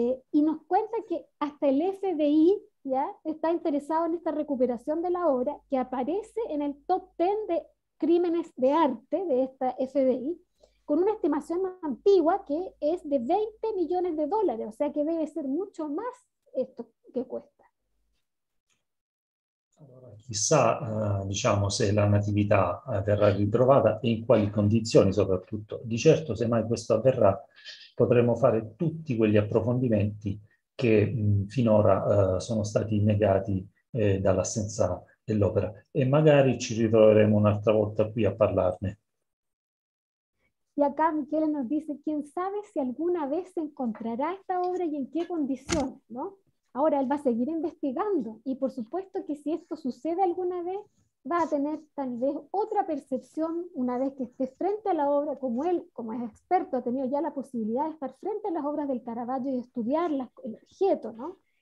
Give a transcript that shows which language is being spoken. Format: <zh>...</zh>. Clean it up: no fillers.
<es>Y nos cuenta que hasta el FBI, ¿ya? Está interesado en esta recuperación de la obra que aparece en el top 10 de crímenes de arte de esta FBI. Con una estimación más antigua que es de 20 millones de dólares, o sea que debe ser mucho más esto que cuesta.</es> <it>Chissà, diciamo, se la Natività verrà ritrovata e in quali condizioni soprattutto. Di certo, se mai questo avverrà, potremo fare tutti quegli approfondimenti che finora sono stati negati dall'assenza dell'opera e magari ci ritroveremo un'altra volta qui a parlarne.</it> <es>Y acá Michele nos dice, ¿quién sabe si alguna vez se encontrará esta obra y en qué condiciones, ¿no? Ahora él va a seguir investigando y por supuesto que si esto sucede alguna vez, va a tener tal vez otra percepción una vez que esté frente a la obra, como él, como es experto, ha tenido ya la posibilidad de estar frente a las obras del Caravaggio y estudiarlas, el objeto, ¿no?</es>